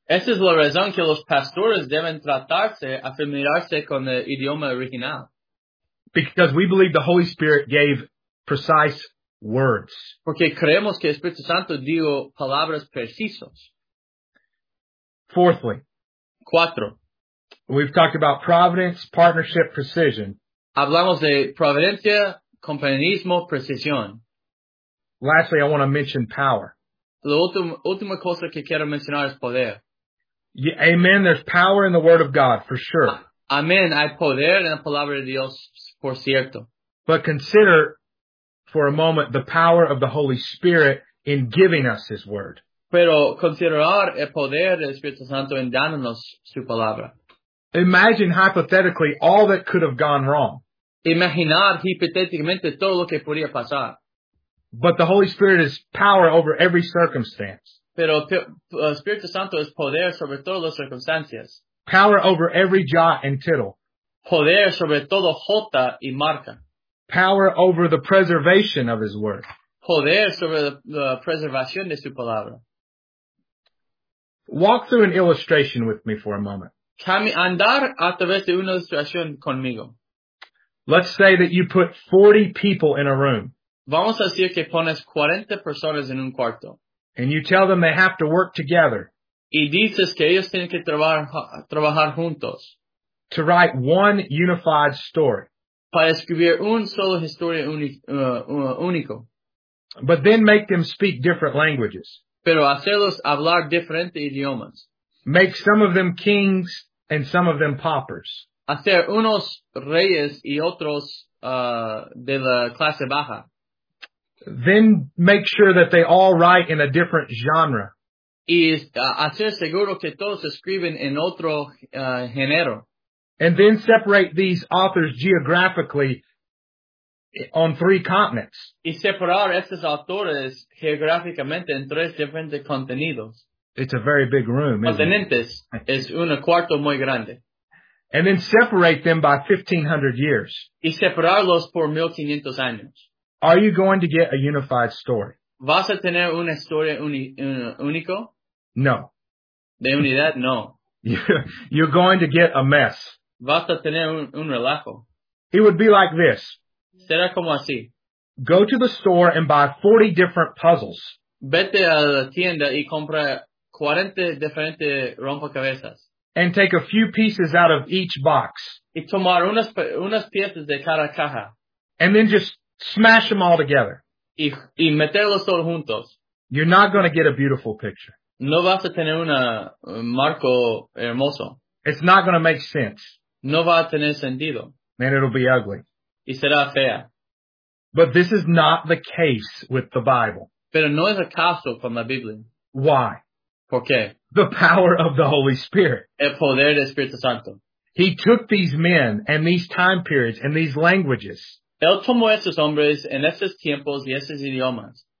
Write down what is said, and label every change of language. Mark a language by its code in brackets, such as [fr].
[es] Esa es la razón que los pastores deben tratarse a familiarizarse con el idioma original. [en] Because we believe the Holy Spirit gave precise words. [es] Porque creemos que Espíritu Santo dio palabras precisas. [en] Fourthly. [es] Cuatro. [en] We've talked about providence, partnership, precision. [es] Hablamos de providencia, compañerismo, precisión. [en] Lastly, I want to mention power. [es] La última cosa que quiero mencionar es poder. [en] Yeah, amen, there's power in the Word of God, for sure. [es] Amen, hay poder en la Palabra de Dios, por cierto. [en] But consider, for a moment, the power of the Holy Spirit in giving us His Word. [es] Pero considerar el poder del Espíritu Santo en dándonos su Palabra. [en] Imagine, hypothetically, all that could have gone wrong. [es] Imaginar, hipotéticamente, todo lo que podría pasar. [en] But the Holy Spirit is power over every circumstance. [es] Pero Espíritu Santo es poder sobre todas las circunstancias. [en] Power over every jot and tittle. [es] Poder sobre todo jota y marca. [en] Power over the preservation of His Word. [es] Poder sobre la preservación de su palabra. [en] Walk through an illustration with me for a moment. [es] Andar a través de una ilustración conmigo. [en] Let's say that you put 40 people in a room. [es] Vamos a decir que pones 40 personas en un cuarto. [en] And you tell them they have to work together. [es] Y dices que ellos tienen que trabajar juntos. [en] To write one unified story. [es] Para escribir un solo historia único. [en] But then make them speak different languages. [es] Pero hacerlos hablar diferentes idiomas. [en] Make some of them kings and some of them paupers. [es] Hacer unos reyes y otros de la clase baja. [en] Then make sure that they all write in a different genre. [es] Y hacer seguro que todos escriben en otro género. [en] And then separate these authors geographically on three continents. [es] Y separar estos autores geográficamente en tres diferentes contenidos. [en] It's a very big room, isn't [es] continentes [en] it? [es] Es un cuarto muy grande. [en] And then separate them by 1,500 years. [es] Y separarlos por 1,500 años. [en] Are you going to get a unified story? [es] ¿Vas a tener una historia único? [en] No. [es] ¿De unidad? No. [en] You're going to get a mess. [es] ¿Vas a tener un relajo? [en] It would be like this. [es] ¿Será como así? [en] Go to the store and buy 40 different puzzles. [es] Vete a la tienda y compra 40 diferentes rompecabezas. [en] And take a few pieces out of each box. [es] Y tomar unas piezas de cada caja. [en] And then just smash them all together. [es] Y meterlos todos juntos. [en] You're not going to get a beautiful picture. [es] No vas a tener un marco hermoso. [en] It's not going to make sense. [es] No va a tener sentido. [en] And it'll be ugly. [es] Y será fea. [en] But this is not the case with the Bible. [es] Pero no es el caso con la Biblia. [en] Why? [es] ¿Por qué? [en] The power of the Holy Spirit. [es] El poder del Espíritu Santo. [en] He took these men and these time periods and these languages. [es] Él tomó esos hombres en esos tiempos y esos idiomas.